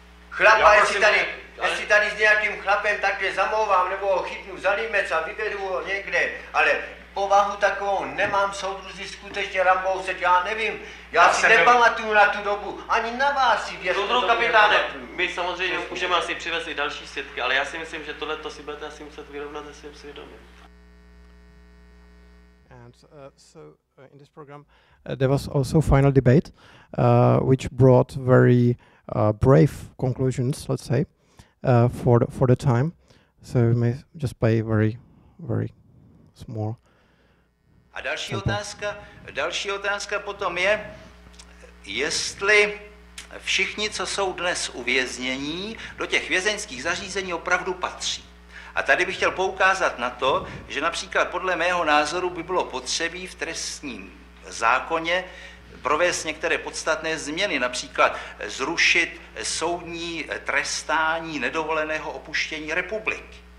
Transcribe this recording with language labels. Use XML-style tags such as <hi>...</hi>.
<cs>Chlapa, jestli tady s nějakým chlapem takhle zamlouvám, nebo ho chytnu za límec a vyvedu ho někde, ale povahu takovou nemám, soudruzi, skutečně, Rambousek, já nevím. Já si nepamatuju na tu dobu, ani na vás si věřte. Soudruhu kapitáne, my samozřejmě můžeme asi přivezli další svědky, ale já si myslím, že tohle to si budete asi muset vyrovnat se svým svědomím.</cs> <en>And so in this program there was also final debate, which brought very brave conclusions, let's say, for the time. So we may just play very, very small.</en> <cs>A další otázka potom je, jestli všichni, co jsou dnes uvězněni, do těch vězeňských zařízení opravdu patří. A tady bych chtěl poukázat na to, že například podle mého názoru by bylo potřebí v trestním zákoně provést některé podstatné změny, například zrušit soudní trestání nedovoleného opuštění republiky.</cs>